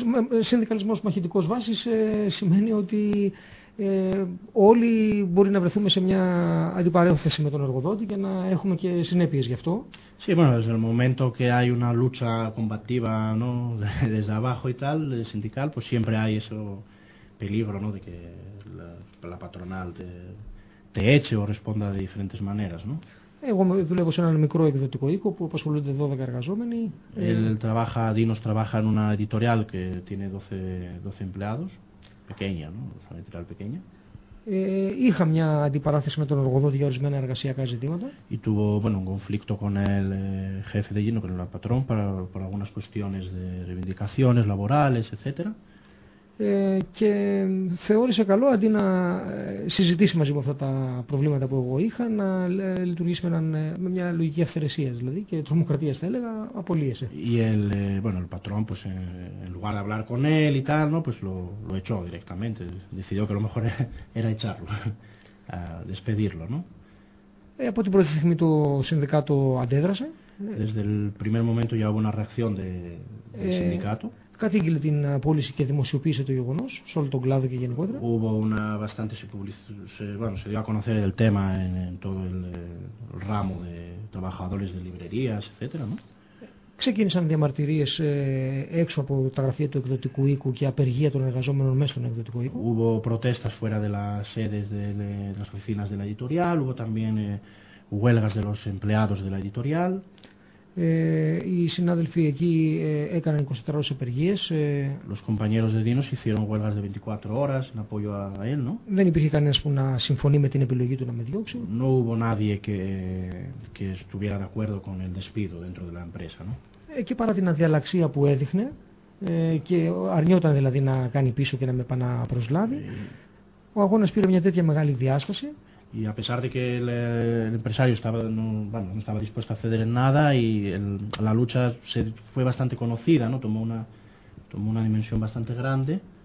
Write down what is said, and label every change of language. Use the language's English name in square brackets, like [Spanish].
[Greek] Ο συνδικαλισμός μαχητικός βάσης σημαίνει ότι όλοι μπορεί να βρεθούμε σε μια αντιπαρέθεση με τον εργοδότη και να έχουμε και συνέπειες γι' αυτό. [Spanish] Sí, bueno, desde el momento que hay una lucha combativa, ¿no? Desde abajo y tal, sindical, pues siempre hay ese peligro, ¿no? De que la patronal te eche o responda de diferentes maneras, ¿no? [Greek] Εγώ δουλεύω σε ένα μικρό εκδοτικό οίκο που απασχολούνται 12 εργαζόμενοι. [Spanish] Dinos trabaja en una editorial que tiene 12 empleados. Pequeña, ¿no? Una editorial pequeña. [Greek] Είχα μια αντιπαράθεση με τον εργοδότη για ορισμένα εργασιακά ζητήματα. [Spanish] Y tuvo, bueno, un conflicto con el jefe de lleno, con el patrón, por algunas cuestiones de reivindicaciones laborales, etc. [Greek] Και θεώρησε καλό αντί να συζητήσει μαζί με αυτά τα προβλήματα που εγώ είχα να λειτουργήσει με μια λογική αυθαιρεσίας δηλαδή και τρομοκρατίας θα έλεγα, απολύεσε. [Spanish] Y el patrón, pues en lugar de hablar con él y tal, ¿no? Pues lo echó directamente. Decidió que lo mejor era echarlo, despedirlo, ¿no? [Greek] Από την πρώτη στιγμή το συνδικάτο αντέδρασε. [Spanish] Desde el primer momento ya hubo una reacción del sindicato. [Greek] Κατήγγειλε την πώληση και δημοσιοποίησε το γεγονός σε όλο τον κλάδο και γενικότερα. [Spanish] Hubo una bastante se dio a conocer el tema en todo el ramo de trabajadores de librerías, etc. ¿No? [Greek] Ξεκίνησαν διαμαρτυρίες έξω από τα γραφεία του εκδοτικού οίκου και απεργία των εργαζόμενων μέσα στον εκδοτικό οίκο. [Spanish] Hubo protestas fuera de las sedes de las oficinas de la editorial, hubo también huelgas de los empleados de la editorial. [Greek] Οι συνάδελφοι εκεί έκαναν 24 ώρες απεργίες. [Spanish] Los compañeros de Dinos hicieron huelgas de 24 horas en apoyo a él, ¿no? [Greek] Δεν υπήρχε κανένας που να συμφωνεί με την επιλογή του να με διώξει. [Spanish] No hubo nadie que estuviera de acuerdo con el despido dentro de la empresa, ¿no? [Greek] Και παρά την αδιαλαξία που έδειχνε, και αρνιόταν δηλαδή να κάνει πίσω και να με επαναπροσλάβει, ο αγώνας πήρε μια τέτοια μεγάλη διάσταση. [Spanish] Y a pesar de que el empresario no estaba dispuesto a ceder en nada y la lucha fue bastante conocida, ¿no? Tomó una dimensión bastante grande.